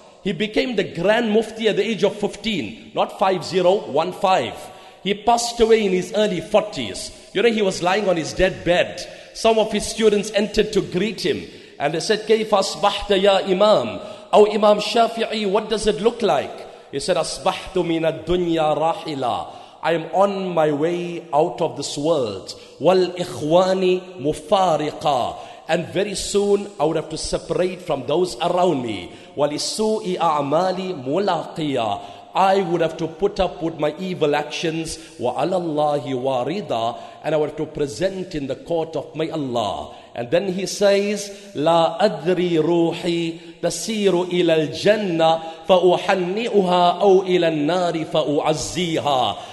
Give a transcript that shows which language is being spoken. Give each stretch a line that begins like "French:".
English: He became the Grand Mufti at the age of 15, not 5015. He passed away in his early 40s. You know, he was lying on his deathbed. Some of his students entered to greet him, and they said,
Arabic: كيف أصبحت يا إمام؟
English: Oh, Imam Shafi'i, what does it look like?
Arabic: He said, أصبحت من الدنيا راحلا.
English: I am on my way out of this world.
Arabic: والإخواني مفارقا.
English: And very soon, I would have to separate from those around me.
Arabic: ولسوء أعمالي ملاقيا.
English: I would have to put up with my evil actions.
Arabic: وعلى الله واردا.
English: And I would have to present in the court of my Allah. And then he says,
Arabic: لا أدري روحي تسير إلى الجنة فأحنئها أو إلى النار فأعزيها.